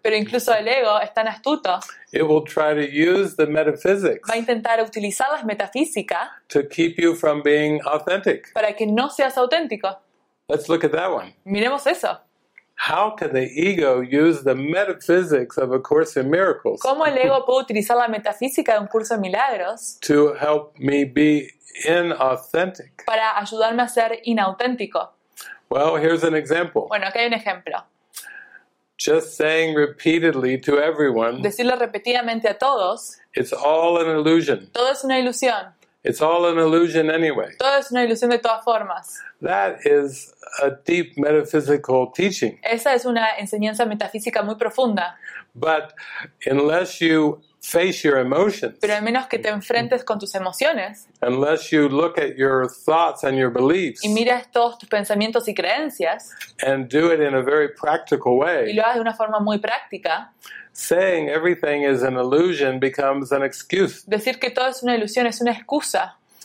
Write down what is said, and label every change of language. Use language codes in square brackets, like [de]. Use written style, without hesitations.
[es] Pero incluso el ego es tan astuto. [en] It will try to use the metaphysics. [es] Va a intentar utilizar las metafísicas. [en] To keep you from being authentic. [es] Para que no seas auténtico. [en] Let's look at that one. [es] Miremos eso. [en] How can the ego use the metaphysics of a Course in Miracles? [es] ¿Cómo el ego puede utilizar la metafísica de un curso de milagros? [en] To help me be inauthentic. [es] Para ayudarme a ser inauténtico. [en] Well, here's an example. [es] Bueno, aquí hay un ejemplo. [en] Just saying repeatedly to everyone. [es] Decirlo repetidamente a todos. [en] It's all an illusion. [es] Todo es una ilusión. [en] It's all an illusion anyway. [es] Todo es una ilusión de todas formas. [en] That is a deep metaphysical teaching. [es] Esa es una enseñanza metafísica muy profunda. [en] But unless you face your emotions. [es] Pero a menos que te enfrentes con tus emociones. [en] Unless you look at your thoughts and your beliefs. [es] Y miras todos tus pensamientos y creencias. [en] And do it in a very practical way. [es] Y lo hagas de una forma muy práctica. [en] Saying everything is an illusion becomes an excuse. [es] Decir que todo es una ilusión es una excusa.